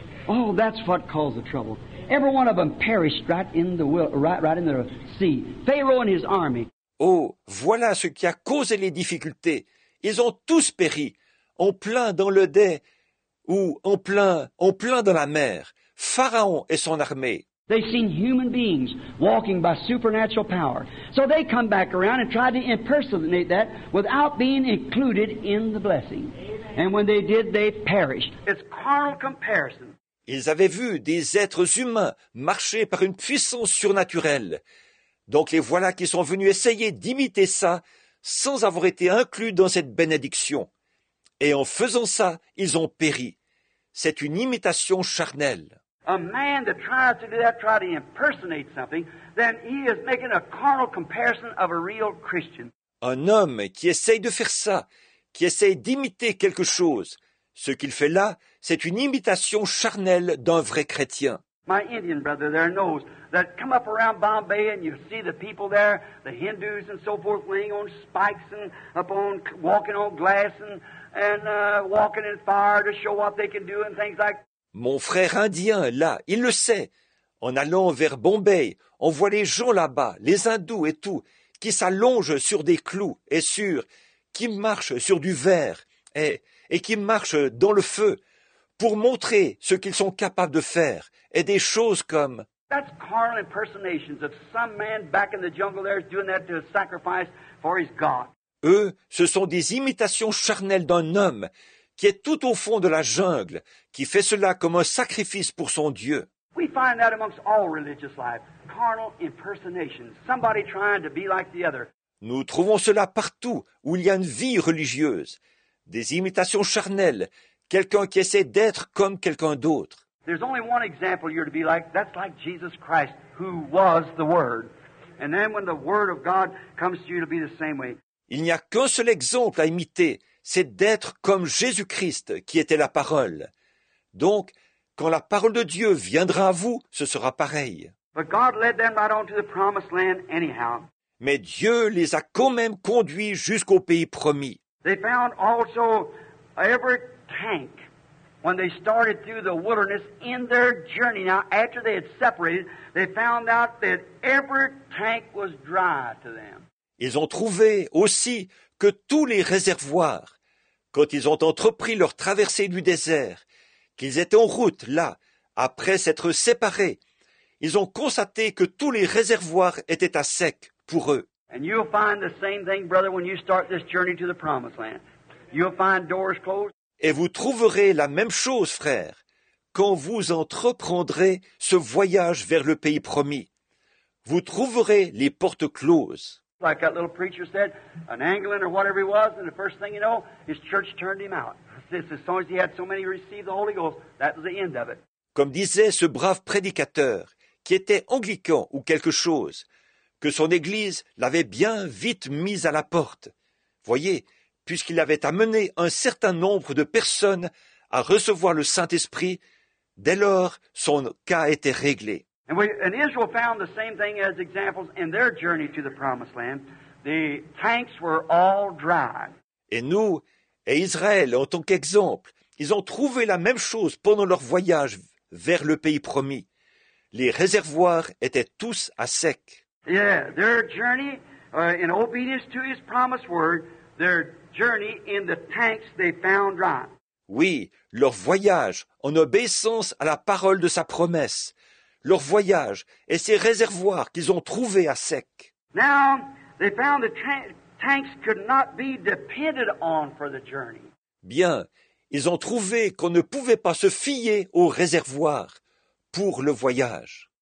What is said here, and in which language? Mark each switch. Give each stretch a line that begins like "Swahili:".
English: Oh, that's what caused the trouble. Every one of them perished right in the sea. Pharaoh and his army.
French: Oh, voilà ce qui a causé les difficultés. Ils ont tous péri, en plein dans le dé, ou en plein dans la mer. Pharaon et son armée.
English: They've seen human beings walking by supernatural power. So they come back around and try to impersonate that without being included in the blessing. And when they did, they perished. It's carnal comparison.
French: Ils avaient vu des êtres humains marcher par une puissance surnaturelle. Donc les voilà qui sont venus essayer d'imiter ça sans avoir été inclus dans cette bénédiction. Et en faisant ça, ils ont péri. C'est une imitation charnelle.
English: A man that tries to do that, try to impersonate something, then he is making a carnal comparison of a real Christian.
French: Un homme qui essaye de faire ça, qui essaye d'imiter quelque chose, ce qu'il fait là, c'est une imitation charnelle d'un vrai chrétien.
English: My Indian brother there knows that come up around Bombay and you see the people there, the Hindus and so forth, laying on spikes and upon walking on glass and walking in fire to show what they can do and things like that.
French: Mon frère indien, là, il le sait. En allant vers Bombay, on voit les gens là-bas, les hindous et tout, qui s'allongent sur des clous et qui marchent sur du verre et qui marchent dans le feu pour montrer ce qu'ils sont capables de faire et des choses comme...
English: That's carnal impersonations of some man back in the jungle there doing that to sacrifice for his God.
French: Eux, ce sont des imitations charnelles d'un homme qui est tout au fond de la jungle, qui fait cela comme un sacrifice pour son Dieu.
English: We find that amongst all religious life, carnal impersonation, somebody trying to be like the other.
French: Nous trouvons cela partout où il y a une vie religieuse, des imitations charnelles, quelqu'un qui essaie d'être comme quelqu'un d'autre.
English: There's only one example you're to be like, that's like Jesus Christ, who was the Word. And then when the Word of God comes to you, it'll be the same way.
French: Il n'y a qu'un seul exemple à imiter, c'est d'être comme Jésus-Christ qui était la parole. Donc, quand la parole de Dieu viendra à vous, ce sera pareil.
English: But God led them right on to the promised land anyhow.
French: Mais Dieu les a quand même conduits jusqu'au pays promis.
English: They found also every tank when they started through the wilderness in their journey. Now, after they had separated, they found out that every tank was dry to them.
French: Ils ont trouvé aussi que tous les réservoirs, quand ils ont entrepris leur traversée du désert, qu'ils étaient en route là, après s'être séparés, ils ont constaté que tous les réservoirs étaient à sec pour eux.
English: And you'll find the same thing, brother, when you start this journey to the promised land. You'll find doors closed.
French: Et vous trouverez la même chose, frère, quand vous entreprendrez ce voyage vers le pays promis. Vous trouverez les portes closes.
English: Like that little preacher said, an Anglican or whatever he was, and the first thing you know, his church turned him out. As soon as he had so many receive the Holy Ghost, that was the end of it.
French: Comme disait ce brave prédicateur, qui était anglican ou quelque chose, que son église l'avait bien vite mise à la porte. Voyez, puisqu'il avait amené un certain nombre de personnes à recevoir le Saint-Esprit, dès lors, son cas était réglé.
English: And Israel found the same thing as examples in their journey to the promised land. The tanks were all dry.
French: Et nous, et Israël, en tant qu'exemple, ils ont trouvé la même chose pendant leur voyage vers le pays promis. Les réservoirs étaient tous à sec.
English: Yeah, their journey, in obedience to his promised word, their journey in the tanks they found dry.
French: Oui, leur voyage, en obéissance à la parole de sa promesse, leur voyage et ces réservoirs qu'ils ont trouvés à sec.
English: Now, they found the tanks could not be depended on for the journey.
French: Bien, ils ont trouvé qu'on ne pouvait pas se fier aux réservoirs pour le voyage.